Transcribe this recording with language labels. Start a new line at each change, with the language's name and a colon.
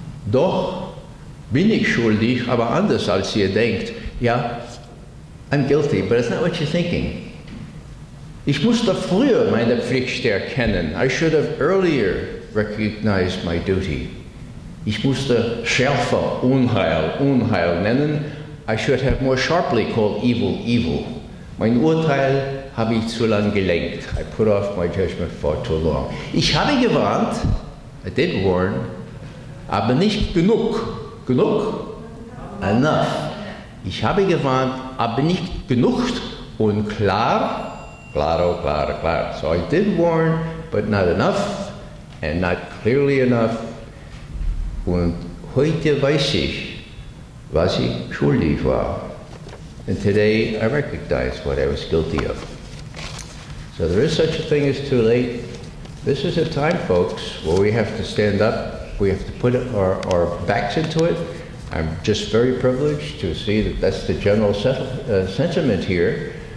German: Doch bin ich schuldig, aber anders als ihr denkt.
English: Ja, I'm guilty, but it's not what you're thinking.
German: Ich musste früher meine Pflicht erkennen.
English: I should have earlier recognized my duty.
German: Ich musste schärfer Unheil nennen.
English: I should have more sharply called evil, evil.
German: Mein Urteil habe ich zu lang gelenkt.
English: I put off my judgment for too long.
German: Ich habe gewarnt,
English: I did warn,
German: aber nicht genug. Genug?
English: Enough.
German: Ich habe gewarnt, aber nicht genug und klar.
Spanish: Claro, claro, claro.
English: So I did warn, but not enough, and not clearly enough.
German: Und heute weiß ich, was ich schuldig war.
English: And today I recognize what I was guilty of. So there is such a thing as too late. This is a time, folks, where we have to stand up. We have to put our backs into it. I'm just very privileged to see that that's the general sentiment here.